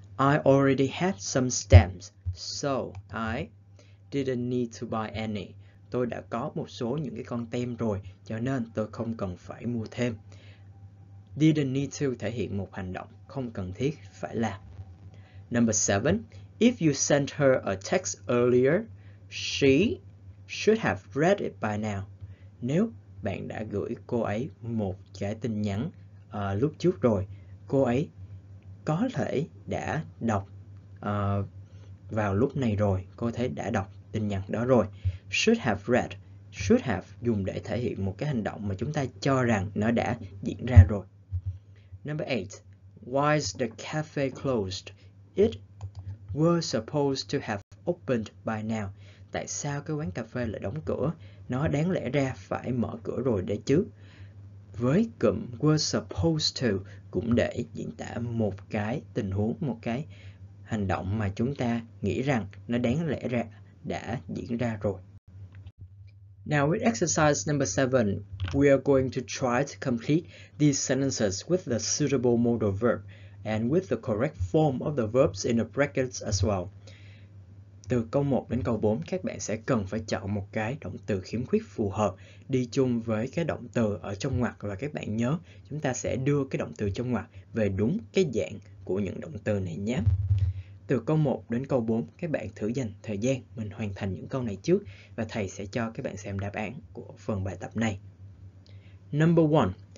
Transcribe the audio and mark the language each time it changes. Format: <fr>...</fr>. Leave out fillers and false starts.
<en>I already had some stamps, so I didn't need to buy any.</en> <vi>Tôi đã có một số những cái con tem rồi, cho nên tôi không cần phải mua thêm. Didn't need to thể hiện một hành động không cần thiết phải làm.</vi> <en>Number 7. If you sent her a text earlier, she should have read it by now.</en> <vi>Nếu bạn đã gửi cô ấy một cái tin nhắn lúc trước rồi, cô ấy có thể đã đọc vào lúc này rồi, cô thấy đã đọc tin nhắn đó rồi. Should have read, should have dùng để thể hiện một cái hành động mà chúng ta cho rằng nó đã diễn ra rồi.</vi> <en>Number 8. Why is the cafe closed? It was supposed to have opened by now.</en> <vi>Tại sao cái quán cà phê lại đóng cửa? Nó đáng lẽ ra phải mở cửa rồi đấy chứ. Với cụm was supposed to cũng để diễn tả một cái tình huống, một cái hành động mà chúng ta nghĩ rằng nó đáng lẽ ra đã diễn ra rồi.</vi> <en>Now with exercise number 7, we are going to try to complete these sentences with the suitable modal verb and with the correct form of the verbs in the brackets as well.</en> <vi>Từ câu 1 đến câu 4, các bạn sẽ cần phải chọn một cái động từ khiếm khuyết phù hợp đi chung với cái động từ ở trong ngoặc, và các bạn nhớ chúng ta sẽ đưa cái động từ trong ngoặc về đúng cái dạng của những động từ này nhé. Từ câu 1 đến câu 4, các bạn thử dành thời gian mình hoàn thành những câu này trước và thầy sẽ cho các bạn xem đáp án của phần bài tập này.</vi> <en>Number 1.</en>